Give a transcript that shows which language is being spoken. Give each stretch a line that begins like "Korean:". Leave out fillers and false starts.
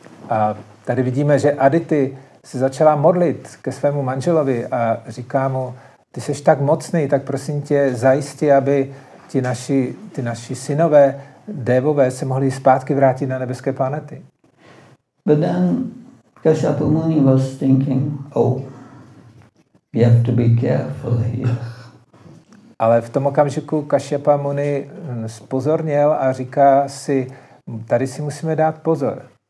Czech: A tady vidíme, že Aditi se začala modlit ke svému manželovi a říká mu, ty seš tak mocný, tak prosím tě zajisti, aby ti naši synové Dévové se mohli zpátky vrátit na nebeské planety.
English: But then Kashyapa Muni was thinking, oh, we have to be careful here.
Czech: Ale v tom okamžiku Kashyapa Muni spozorněl a říká si, tady si musíme dát pozor.